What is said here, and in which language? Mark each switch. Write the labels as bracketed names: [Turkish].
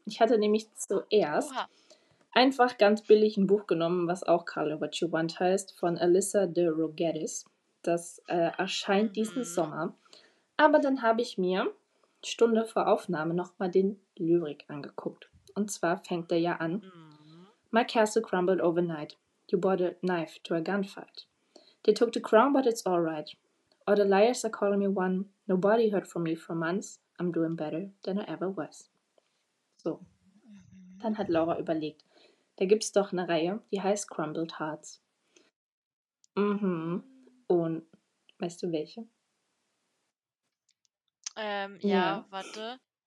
[German] Ich hatte nämlich zuerst einfach ganz billig ein Buch genommen, was auch Carla What You Want heißt, von Alyssa de Rogatis. Das erscheint diesen Sommer. Aber dann habe ich mir, Stunde vor Aufnahme, nochmal den Lyrik angeguckt. Und zwar fängt er ja an. [English] My castle crumbled overnight. You bought a knife to a gunfight. They took the crown, but it's alright. or the liars are calling me one. Nobody heard from me for months. I'm doing better than I ever was. [German] So. Dann hat Laura überlegt, da gibt's doch eine Reihe, die heißt Crumbled Hearts. Mhm. Und weißt du welche? Ja, warte.